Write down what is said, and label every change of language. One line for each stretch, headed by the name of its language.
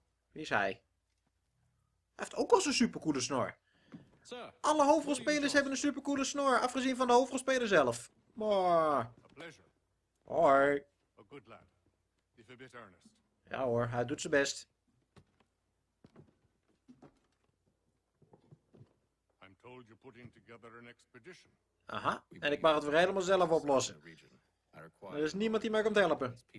Dutch: Wie is hij? Hij heeft ook al zo'n supercoole snor. Alle hoofdrolspelers hebben een supercoole snor, afgezien van de hoofdrolspeler zelf. Maar. Hoi.
English: Good lad. If a bit earnest.
Dutch: Ja hoor, hij doet zijn best.
English: I'm told you're putting together an expedition.
Dutch: Aha, en ik mag het weer helemaal zelf oplossen. Er is niemand die mij komt helpen.